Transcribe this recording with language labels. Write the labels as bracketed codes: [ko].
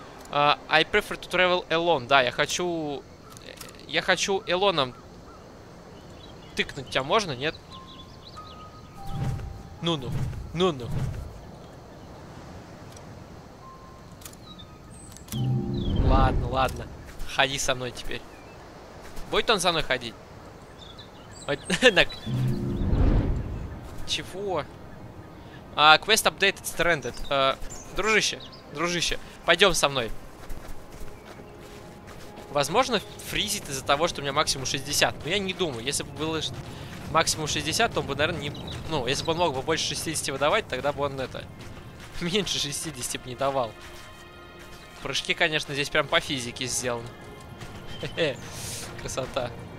[en] I prefer to travel alone. [ru] Да, я хочу. Я хочу Элоном тыкнуть тебя, можно, нет? Ну-ну. Ну-ну. Ладно, ладно. Ходи со мной теперь. Будет он со мной ходить? Чего? [en] Квест updated, stranded. [ru] Дружище, дружище, пойдем со мной. Возможно, фризит из-за того, что у меня максимум 60. Но я не думаю, если бы было... Максимум 60, то он бы, наверное, не... Ну, если бы он мог бы больше 60 выдавать, тогда бы он это... Меньше 60 бы не давал. Прыжки, конечно, здесь прям по физике сделаны. Хе-хе. Красота.